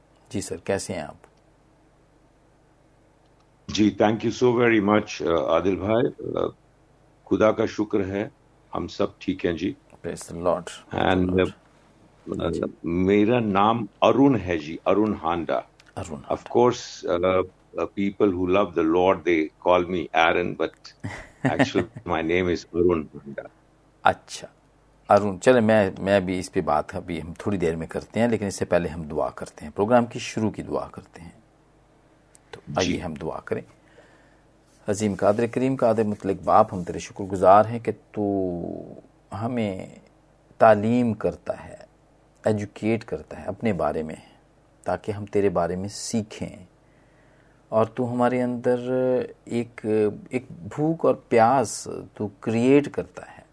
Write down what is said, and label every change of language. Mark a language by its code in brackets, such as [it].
[ur] جی سر, کیسے ہیں آپ؟ جی [en] thank you so very much [ur] عادل بھائی, خدا کا شکر ہے ہم سب ٹھیک ہیں جی. [en] Praise the Lord. [ur] اینڈ میرا نام ارون ہے جی, Arun Honda. Arun, [en] Of course people who love the Lord they call me Arun, but actually my name is Arun Handa. [ur] اچھا ارون, چلے میں بھی اس پہ بات ابھی ہم تھوڑی دیر میں کرتے ہیں, لیکن اس سے پہلے ہم دعا کرتے ہیں, پروگرام کی شروع کی دعا کرتے ہیں. آئیے جی ہم دعا کریں. عظیم قادر کریم, قادر مطلق باپ, ہم تیرے شکر گزار ہیں کہ تو ہمیں تعلیم کرتا ہے, ایجوکیٹ کرتا ہے اپنے بارے میں, تاکہ ہم تیرے بارے میں سیکھیں, اور تو ہمارے اندر ایک بھوک اور پیاس تو کریٹ کرتا ہے,